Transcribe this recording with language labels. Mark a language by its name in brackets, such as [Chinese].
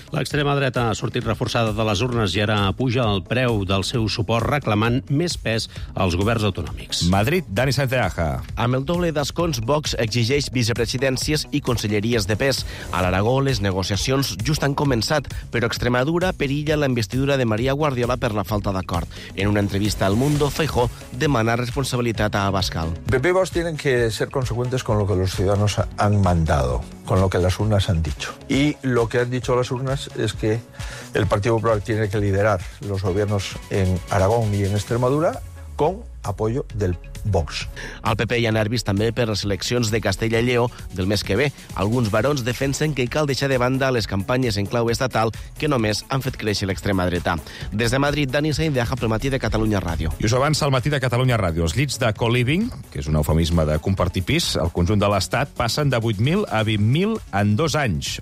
[Catalan] L'extrema dreta ha sortit reforçada de les urnes i ara puja el preu del seu suport reclamant més pes als governs autonòmics. Madrid, Dani Santeaja. Amb el doble d'escons, Vox exigeix vicepresidències i conselleries de pes. A l'Aragó, les negociacions just han començat, però Extremadura perilla la investidura de Maria Guardiola per la falta d'acord. En una entrevista al Mundo, Feijó demana responsabilitat a Abascal. [Spanish] PP i Vox tienen que ser consecuentes con lo que los ciudadanos han mandado, con lo que las urnas han dicho. Y lo que han dicho las urnas es que el Partido Popular tiene que liderar los gobiernos en Aragón y en Extremadura con apoyo del Vox. [Catalan] El PP ja ha nervis també per les eleccions de Castella i Lleó del mes que ve. Alguns barons defensen que cal deixar de banda les campanyes en clau estatal que només han fet créixer l'extrema dreta. Des de Madrid, Dani Sainz, deja pel matí de Catalunya Ràdio. I us avança el matí de Catalunya Ràdio. Els llits de co-living, que és un eufemisme de compartir pis, al conjunt de l'Estat, passen de 8.000 a 20.000 en 2 anys.